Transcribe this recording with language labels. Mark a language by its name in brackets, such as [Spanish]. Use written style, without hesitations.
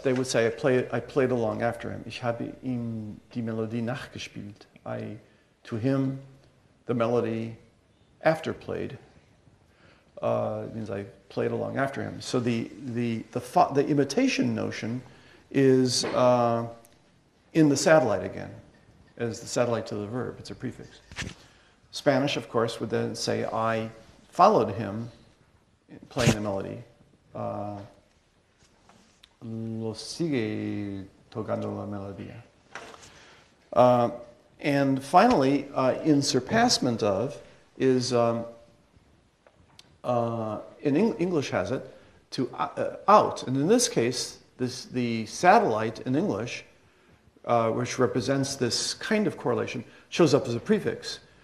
[English] They would say, I played along after him. [German] Ich habe ihm die Melodie nachgespielt. [English] I, to him, the melody after played. Means I played along after him. So the imitation notion is in the satellite again, as the satellite to the verb. It's a prefix. Spanish, of course, would then say I followed him playing the melody. [Spanish] Lo sigue tocando la melodía. [English] And finally, in surpassment of is. English has it, to out. And in this case, the satellite in English, which represents this kind of correlation, shows up as a prefix.